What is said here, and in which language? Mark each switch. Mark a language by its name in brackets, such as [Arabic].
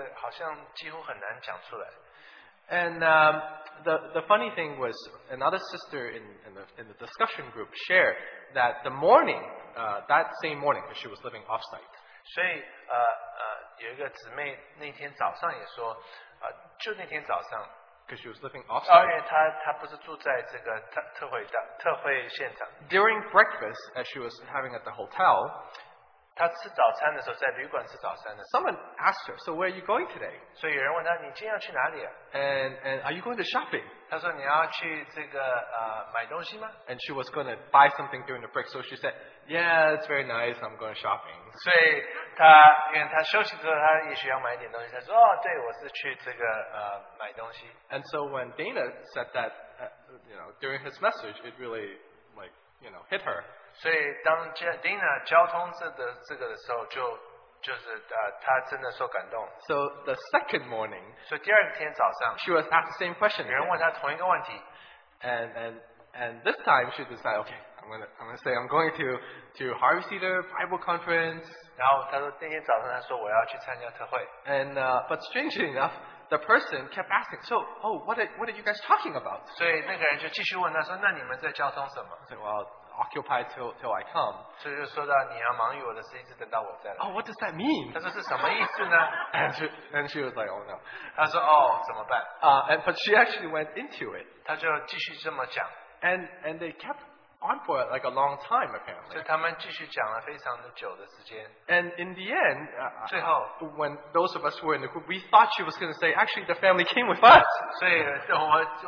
[Chinese] 所以好像我总是觉得好像在公司的时候，你要说为主而活，这个好像几乎很难讲出来。 [English] And the funny thing was another sister in the discussion group shared that the morning, that same morning, because she was living offsite. [Chinese] 所以有一个姊妹那天早上也说，就那天早上， [English] because she was living offsite. [Chinese] 而且她不是住在这个特会的特会现场。 [English] During breakfast, as she was having at the hotel, [Chinese] 她吃早餐的时候，在旅馆吃早餐的时候， [English] someone asked her, "So where are you going today?" [Chinese] 所以有人问她，你今天要去哪里啊？ [English] And are you going to shopping? [Chinese] 她说你要去这个 买东西吗？ [English] And she was going to buy something during the break, so she said, "Yeah, it's very nice. I'm going shopping." [Chinese] 所以她因为她休息之后，她也许要买点东西。她说，哦，对，我是去这个 买东西。 [English] And so when Dana said that, you know, during his message, it really like you know hit her. [Chinese] 所以当 Dina 交通这个的时候，就是她真的受感动。So [English] the second morning, [Chinese] 所以第二天早上, [English] she was asked the same question. [Chinese] 有人问她同一个问题, [English] and this time she decided, okay, I'm going to Harvey Cedar Bible Conference. [Chinese] 然后她说那天早上她说我要去参加特会. [English] And but strangely enough, the person kept asking, so, oh, what are you guys talking about? [Chinese] 所以那个人就继续问她说那你们在交通什么? [English] So, well, occupied till I come. [Chinese] 所以就说到你要忙于我的事，一直等到我再来。 [English] Oh, what does that mean? [Chinese] 他说是什么意思呢? [English] And she was like, oh no. [Chinese] 他说哦，怎么办? [English] But she actually went into it. [Chinese] 他就继续这么讲。 [English] And they kept on for like a long time apparently. [Chinese] 所以他们继续讲了非常久的时间。 [English] And in the end, [Chinese] 最后, [English] when those of us were in the group, we thought she was going to say, actually the family came with us.